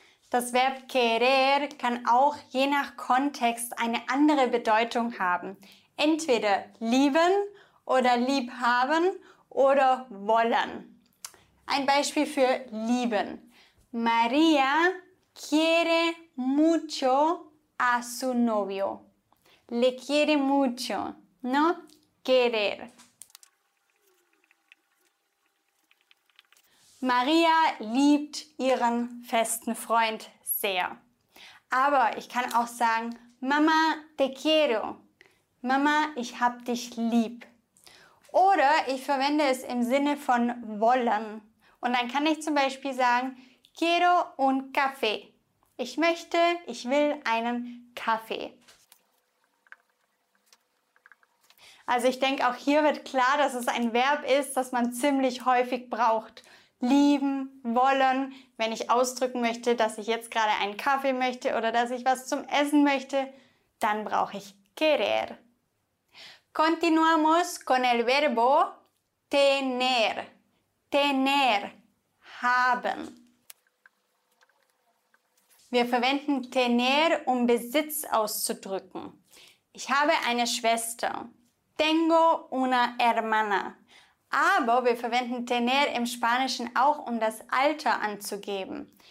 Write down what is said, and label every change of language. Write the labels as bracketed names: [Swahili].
[German] Das Verb querer kann auch je nach Kontext eine andere Bedeutung haben. Entweder lieben oder liebhaben oder wollen. Ein Beispiel für lieben. [Spanish] Maria quiere mucho a su novio. Le quiere mucho, ¿no? Querer. [German] Maria liebt ihren festen Freund sehr. Aber ich kann auch sagen, Mama, [Spanish] te quiero. [German] Mama, ich hab dich lieb. Oder ich verwende es im Sinne von wollen. Und dann kann ich zum Beispiel sagen, [Spanish] quiero un café. [German] Ich möchte, ich will einen Kaffee. Also ich denke, auch hier wird klar, dass es ein Verb ist, das man ziemlich häufig braucht. Lieben, wollen, wenn ich ausdrücken möchte, dass ich jetzt gerade einen Kaffee möchte oder dass ich was zum Essen möchte, dann brauche ich querer. [Spanish] Continuamos con el verbo tener. Tener, haben. [German] Wir verwenden tener, um Besitz auszudrücken. Ich habe eine Schwester. [Spanish] Tengo una hermana. [German] Aber wir verwenden tener im Spanischen auch, um das Alter anzugeben.